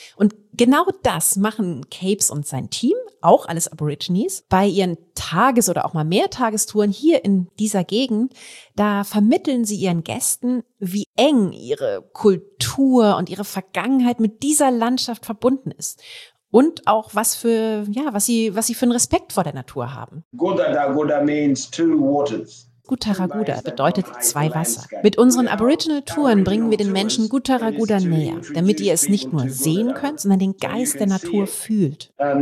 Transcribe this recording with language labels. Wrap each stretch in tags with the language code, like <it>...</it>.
<de>Und genau das machen Capes und sein Team, auch alles Aborigines, bei ihren Tages- oder auch mal Mehrtagestouren hier in dieser Gegend. Da vermitteln sie ihren Gästen, wie eng ihre Kultur und ihre Vergangenheit mit dieser Landschaft verbunden ist. Und auch was sie für einen Respekt vor der Natur haben.</de> <en>Gudagudda means two waters.</en> <de>Gutaragudda bedeutet zwei Wasser. Mit unseren Aboriginal-Touren bringen wir den Menschen Gutaragudda näher, damit ihr es nicht nur sehen könnt, sondern den Geist der Natur fühlt.</de>